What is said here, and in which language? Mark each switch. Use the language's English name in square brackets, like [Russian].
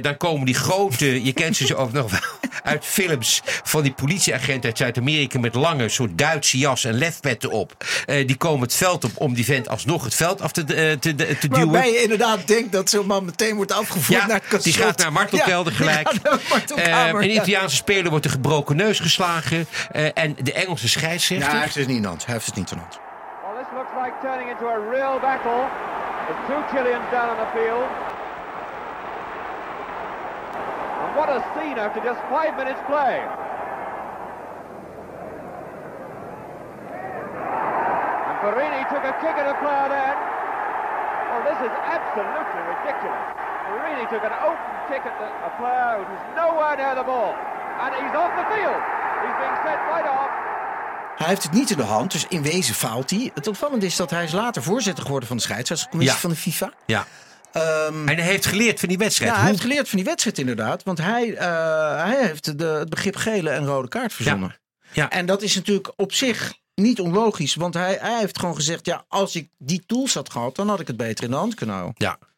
[Dutch] Dan komen die grote, je kent ze ook nog wel uit films, van die politieagenten uit Zuid-Amerika met lange soort Duitse jas en lefpetten op. Die komen het veld op om die vent alsnog het veld af te duwen. Waarbij je inderdaad denkt dat zo'n man meteen wordt afgevoerd naar het kastrot. Die gaat naar martelkelder gelijk. Een Italiaanse speler wordt een gebroken neus geslagen. En de Engelse scheidsrechter. Ja, heeft het niet in hand. [English] Well, this looks like turning into a real battle. The two Chileans down on the field. And what a scene after just 5 minutes play. And Perini took a kick at a player then. Well, this is absolutely ridiculous. Perini took an open kick at a player who was nowhere near the ball. And he's off the field. He's being sent right off. [Dutch] Hij heeft het niet in de hand, dus in wezen faalt hij. Het opvallende is dat hij is later voorzitter geworden van de scheidsrechtscommissie van de FIFA. Ja. En hij heeft geleerd van die wedstrijd. Ja, hij heeft geleerd van die wedstrijd inderdaad. Want hij heeft het begrip gele en rode kaart verzonnen. Ja. Ja. En dat is natuurlijk op zich niet onlogisch. Want hij heeft gewoon gezegd, ja, als ik die tools had gehad, dan had ik het beter in de hand kunnen houden.